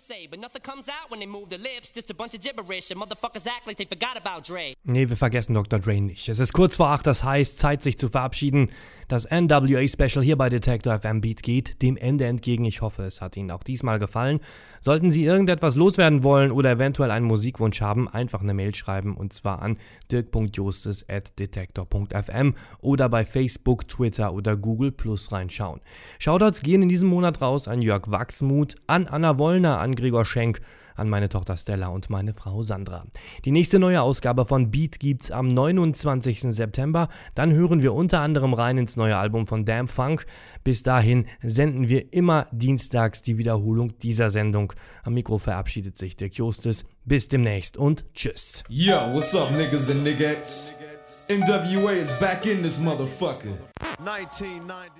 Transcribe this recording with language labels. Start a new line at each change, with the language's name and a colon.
English: But nothing comes out when they move their lips. Just a bunch of gibberish and motherfuckers act like they forgot about Dre.
German: Nee, wir vergessen Dr. Dre nicht. Es ist kurz vor 8, das heißt, Zeit sich zu verabschieden. Das NWA-Special hier bei Detektor FM Beat geht dem Ende entgegen. Ich hoffe, es hat Ihnen auch diesmal gefallen. Sollten Sie irgendetwas loswerden wollen oder eventuell einen Musikwunsch haben, einfach eine Mail schreiben und zwar an dirk.justus@detektor.fm oder bei Facebook, Twitter oder Google Plus reinschauen. Shoutouts gehen in diesem Monat raus an Jörg Wachsmuth, an Anna Wollner, an Gregor Schenk, an meine Tochter Stella und meine Frau Sandra. Die nächste neue Ausgabe von Beat gibt's am 29. September. Dann hören wir unter anderem rein ins neue Album von Damn Funk. Bis dahin senden wir immer dienstags die Wiederholung dieser Sendung. Am Mikro verabschiedet sich Dirk Justus. Bis demnächst und tschüss.
English: Yo, what's up, niggas and niggas? NWA is back in this motherfucker. 1990.